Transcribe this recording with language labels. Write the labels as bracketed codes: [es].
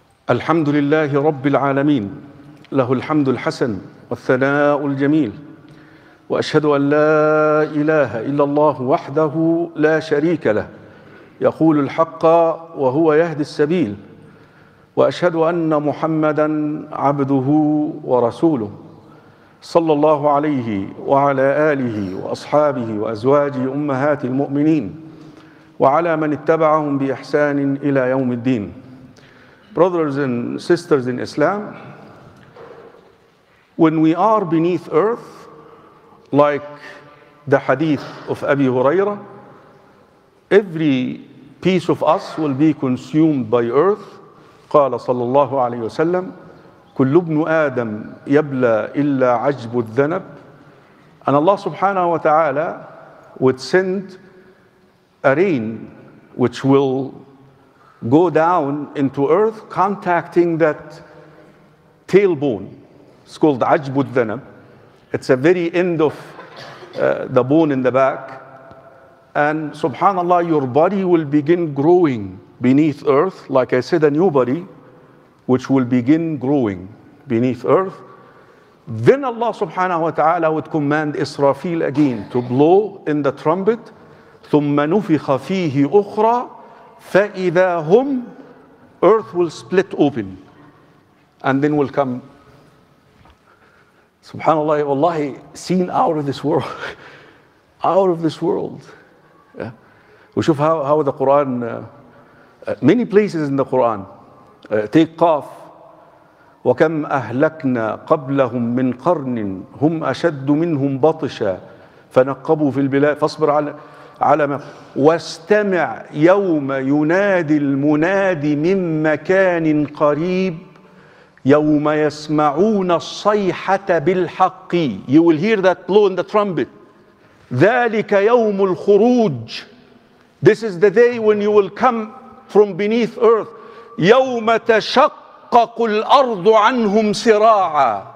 [ar] الحمد لله رب العالمين له الحمد الحسن والثناء الجميل وأشهد أن لا إله إلا الله وحده لا شريك له يقول الحق وهو يهدي السبيل وأشهد أن محمدًا عبده ورسوله صلى الله عليه وعلى آله وأصحابه وأزواجه أمهات المؤمنين وعلى من اتبعهم بإحسان إلى يوم الدين. [en] Brothers and sisters in Islam, when we are beneath earth, like the hadith of Abi Huraira, every piece of us will be consumed by earth. [ar] قال صلى الله عليه وسلم كل ابن آدم يبلى إلا عجب الذنب. [en] And Allah subhanahu wa ta'ala would send a rain which will go down into earth, contacting that tailbone. It's called ajbud dhanab. It's a very end of the bone in the back. And subhanAllah, your body will begin growing beneath earth. Like I said, a new body, which will begin growing beneath earth. Then Allah subhanahu wa ta'ala would command Israfil again to blow in the trumpet. [ar] ثُمَّ نُفِخَ فِيهِ أُخْرَى فَإِذَا هُمْ. [en] Earth will split open and then will come. SubhanAllah, wallahi, seen out of this world. Out of this world. Yeah. We show how the Quran, many places in the Quran, take Qaf. [ar] وَكَمْ أَهْلَكْنَا قَبْلَهُمْ مِنْ قَرْنٍ هُمْ أَشَدُّ مِنْهُمْ بَطْشًا فَنَقَّبُوا فِي الْبِلَادِ فَاصْبِرْ عَلَمَا واستمع يوم ينادي المنادي من مكان قريب يوم يسمعون الصيحة بالحق. [en] You will hear that blow in the trumpet. [ar] ذلك يوم الخروج. [en] This is the day when you will come from beneath earth. [ar] يوم تشقق الأرض عنهم سراعا.